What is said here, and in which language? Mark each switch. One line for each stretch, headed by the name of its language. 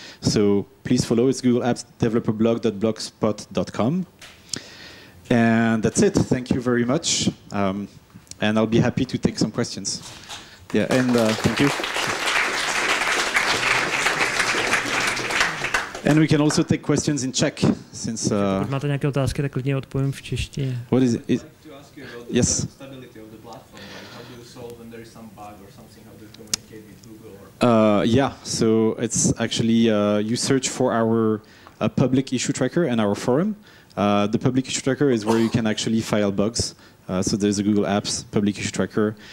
English: So please follow. It's Google Apps Developer Blog.blogspot.com. And that's it. Thank you very much. And I'll be happy to take some questions. Yeah, and thank you. And we can also take questions in Czech, since...
Czech: Máte nějaké otázky, tak klidně odpovím v češtině.
English: What is it? I'd like to ask you about yes. The stability of the platform. Like, how do you solve when there is some bug or something? How do you communicate with Google? Or yeah, so it's actually, you search for our public issue tracker and our forum. The public issue tracker is where you can actually file bugs. So there's a Google Apps public issue tracker.